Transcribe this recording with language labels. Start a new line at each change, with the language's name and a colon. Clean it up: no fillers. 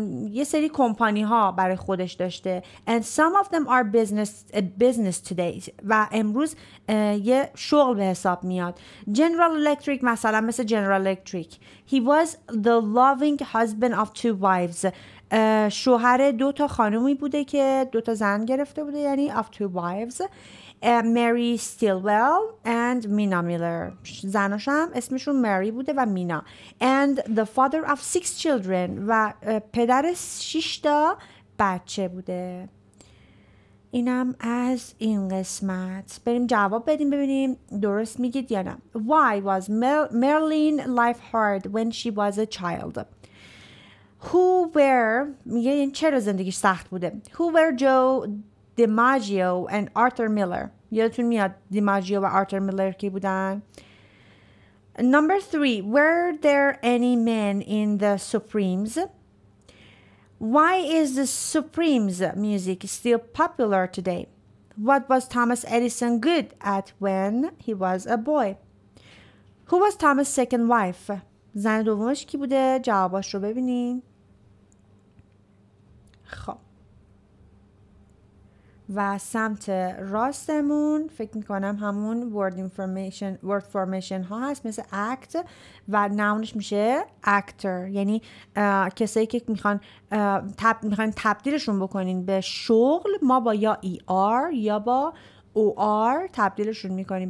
Persian: یه سری کمپانی ها برای خودش داشته.
English: And some of them are business today.
Persian: و امروز یه شغل به حساب میاد. General Electric مثلا، مثل General Electric.
English: He was the loving husband of two wives.
Persian: شوهر دو تا خانومی بوده که دو تا زن گرفته بوده، یعنی
English: of two wives. Mary Stillwell and Mina Miller.
Persian: زناش هم اسمشون Mary بوده و مینا.
English: And the father of six children.
Persian: و پدر شیشتا بچه بوده. اینم از این قسمت. بریم جواب بدیم ببینیم درست میگید یا نه.
English: Why was Marilyn life hard when she was a child? Who were...
Persian: یعنی چرا زندگیش سخت بوده.
English: Who were Joe DiMaggio and Arthur Miller.
Persian: یادتون میاد DiMaggio و Arthur Miller کی بودن؟
English: Number 3. Were there any men in the Supremes? Why is the Supremes music still popular today? What was Thomas Edison good at when he was a boy? Who was Thomas' second wife?
Persian: زن دومش کی بوده؟ جواباش رو ببینین. خب. و سمت راستمون فکر میکنم همون
English: word information، word formation
Persian: ها هست، مثل act و نامش میشه actor، یعنی کسایی که میخوان تبدیلشون بکنین به شغل، ما با یا er یا با or تبدیلشون میکنیم.